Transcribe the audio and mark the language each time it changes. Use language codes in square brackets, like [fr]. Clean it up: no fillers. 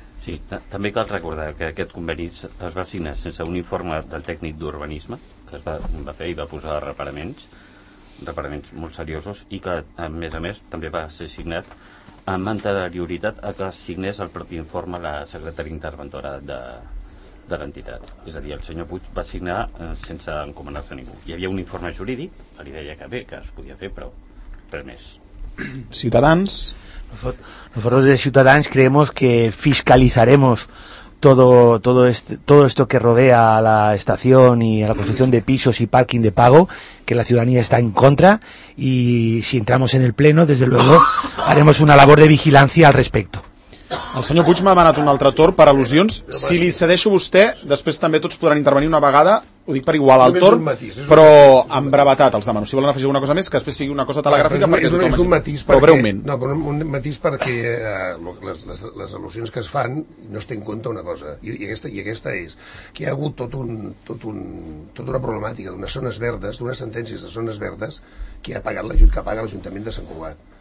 [ca] Sí, també cal recordar que aquest conveni es va signar sense un informe del tècnic d'urbanisme, que es va fer i va posar reparaments molt seriosos, i que, a més, també va ser signat amb anterioritat a que signés el propi informe la secretària interventora de l'entitat. És a dir, el senyor Puig va signar sense encomanar-se a ningú. Hi havia un informe jurídic, li deia que bé, que es podia fer, però res més. Ciutadans? [es] Nosotros de Ciutadans creemos que fiscalizaremos todo esto que rodea a la estación y a la construcción de pisos y parking de pago, que la ciudadanía está en contra, y si entramos en el pleno, desde luego, haremos una labor de vigilancia al respecto. [ca] El senyor Puig m'ha demanat un altre torn per al·lusions. Si li cedeixo a vostè, després també tots podran intervenir una vegada, ho dic per igual al torn, però amb brevetat els demano. Si volen afegir alguna cosa més, que després sigui una cosa telegràfica. Un matís perquè les al·lusions que es fan no es té en compte una cosa, i aquesta és que hi ha hagut tota una problemàtica d'unes zones verdes, d'unes sentències de zones verdes que paga l'Ajuntament de Sant Cugat.